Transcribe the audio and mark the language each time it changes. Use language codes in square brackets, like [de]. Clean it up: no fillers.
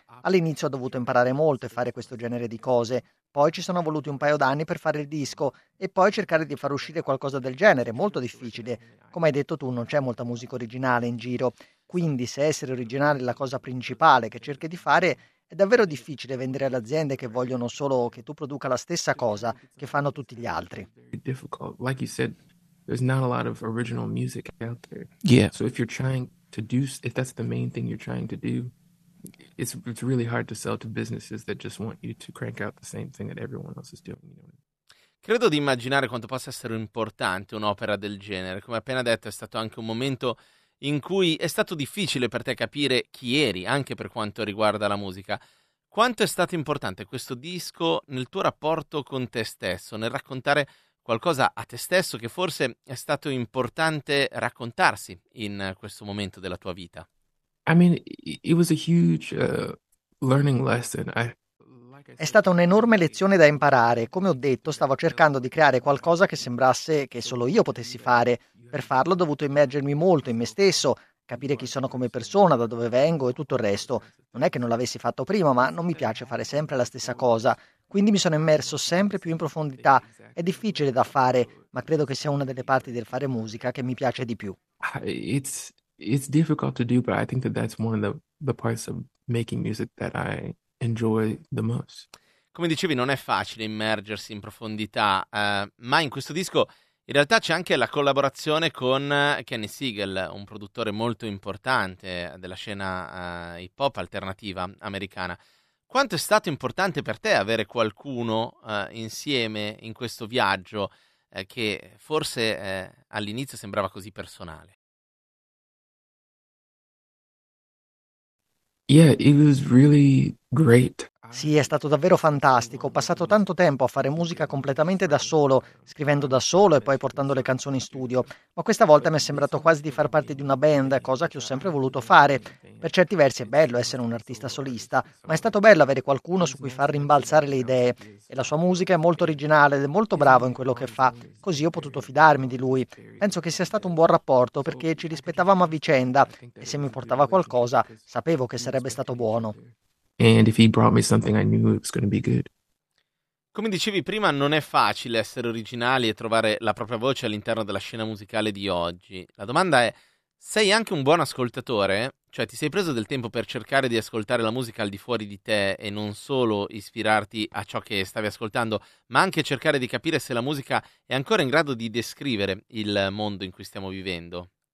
[it] All'inizio ho dovuto imparare molto e fare questo genere di cose. Poi ci sono voluti un paio d'anni per fare il disco e poi cercare di far uscire qualcosa del genere, molto difficile. Come hai detto tu, non c'è molta musica originale in giro, quindi se essere originale è la cosa principale che cerchi di fare, è davvero difficile vendere alle aziende che vogliono solo che tu produca la stessa cosa che fanno tutti gli altri. [en] Like you said, there's not a lot of original music out there. Yeah. So if you're trying to do, if that's the main thing you're trying to do, it's really hard to sell to businesses that just want you to crank out the same thing that everyone else is doing, you know? [it] Credo di immaginare quanto possa essere importante un'opera del genere. Come appena detto, è stato anche un momento in cui è stato difficile per te capire chi eri, anche per quanto riguarda la musica. Quanto è stato importante questo disco nel tuo rapporto con te stesso, nel raccontare qualcosa a te stesso che forse è stato importante raccontarsi in questo momento della tua vita? [en] I mean, it was a huge learning lesson. [it] È stata un'enorme lezione da imparare. Come ho detto, stavo cercando di creare qualcosa che sembrasse che solo io potessi fare. Per farlo ho dovuto immergermi molto in me stesso, capire chi sono come persona, da dove vengo e tutto il resto. Non è che non l'avessi fatto prima, ma non mi piace fare sempre la stessa cosa. Quindi mi sono immerso sempre più in profondità. È difficile da fare, ma credo che sia una delle parti del fare musica che mi piace di più. [en] It's difficult to do, but I think that's one of the parts of making music that I enjoy the most. [it] Come dicevi, non è facile immergersi in profondità, ma in questo disco in realtà c'è anche la collaborazione con Kenny Siegel, un produttore molto importante della scena hip hop alternativa americana. Quanto è stato importante per te avere qualcuno insieme in questo viaggio che forse all'inizio sembrava così personale? [en] Yeah, it was really great. [it] Sì, è stato davvero fantastico. Ho passato tanto tempo a fare musica completamente da solo, scrivendo da solo e poi portando le canzoni in studio. Ma questa volta mi è sembrato quasi di far parte di una band, cosa che ho sempre voluto fare. Per certi versi è bello essere un artista solista, ma è stato bello avere qualcuno su cui far rimbalzare le idee. E la sua musica è molto originale ed è molto bravo in quello che fa. Così ho potuto fidarmi di lui. Penso che sia stato un buon rapporto perché ci rispettavamo a vicenda e se mi portava qualcosa sapevo che sarebbe stato buono. [en] And if he brought me something, I knew it was going to be good. [it] Come dicevi prima, non è facile essere originali e trovare la propria voce all'interno della scena musicale di oggi. La domanda è: sei anche un buon ascoltatore? Cioè, ti sei preso del tempo per cercare di ascoltare la musica al di fuori di te e non solo ispirarti a ciò che stavi ascoltando, ma anche cercare di capire se la musica è ancora in grado di descrivere il mondo in cui stiamo vivendo?